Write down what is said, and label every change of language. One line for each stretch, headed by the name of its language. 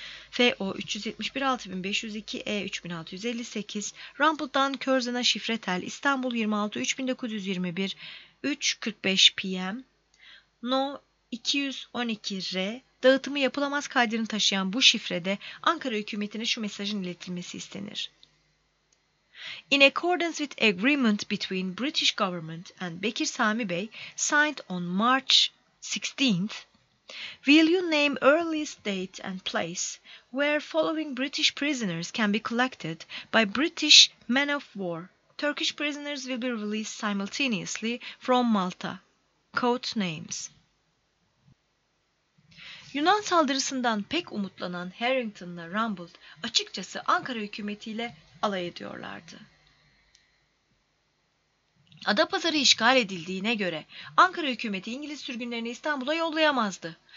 Turkish: FO 371-6502-E3658 Rumpel'dan Körzen'e Şifretel İstanbul 26-3921 3.45 PM No 212R dağıtımı yapılamaz kaydını taşıyan bu şifrede Ankara hükümetine şu mesajın iletilmesi istenir.
English: In accordance with agreement between British government and Bekir Sami Bey signed on March 16th, will you name earliest date and place where following British prisoners can be collected by British men of war? Turkish prisoners will be released simultaneously from Malta. Code names.
Turkish: Yunan saldırısından pek umutlanan Harrington'la Rumbold açıkçası Ankara hükümetiyle alay ediyorlardı. Adapazarı işgal edildiğine göre Ankara hükümeti İngiliz sürgünlerini İstanbul'a yollayamazdı.